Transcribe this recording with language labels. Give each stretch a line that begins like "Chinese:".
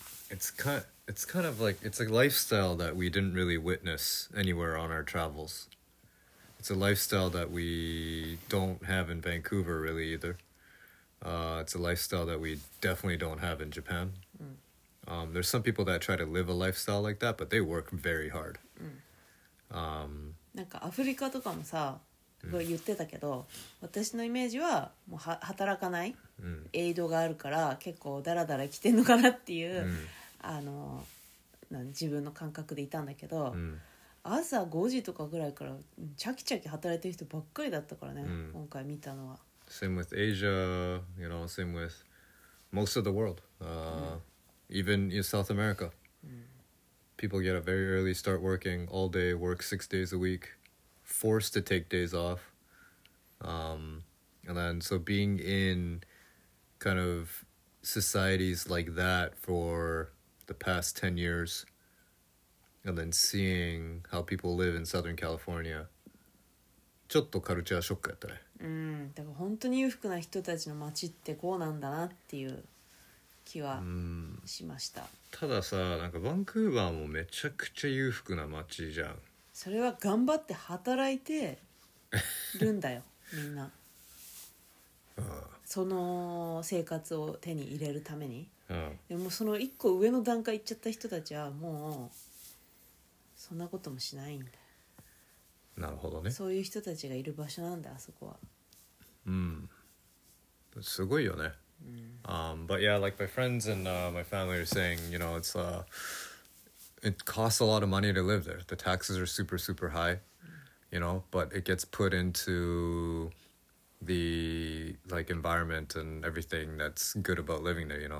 English: It's a lifestyle that we didn't really witness anywhere on our travels. It's a lifestyle that we don't have in Vancouver really either. It's a lifestyle that we definitely don't have in Japan. There's some people that try to live a lifestyle like that, but they work very hard.
Japanese: なんかアフリカとかもさ、言ってたけど、私のイメージはもう働かない、うん、エイドがあるから結構ダラダラ来てんのかなっていう、うん、あの自分の感覚でいたんだけど、うん、朝5時とかぐらいからチャキチャキ働いてる人ばっかりだったからね、うん、今回見たのは
English: Same with Asia, you know, same with most of the world、even in South America、People get a very early start working all day, work 6 days a weekforced to take days off and then so being in kind of societies like that for the past 10 years and then seeing how people live in Southern California
Japanese: ちょっとカルチャーショックやったね。だから本当に裕福な人たちの街ってこうなんだなっていう気はしました。たださ、なんかバンクーバーもめちゃくちゃ裕福な街じゃん。それは頑張って働いてるんだよみんな、その生活を手に入れるために。でもその一個上の段階行っちゃった人たちはもうそんなこともしないんだ。なるほどね。そういう人たちがいる場所なんだあそこは。うん、すごいよね。うん、
English: But yeah, like my friends and my family are saying, you know, it'sIt costs a lot of money to live there. The taxes are super, super high, you know, but it gets put into the, like, environment and everything that's good about living there, you know.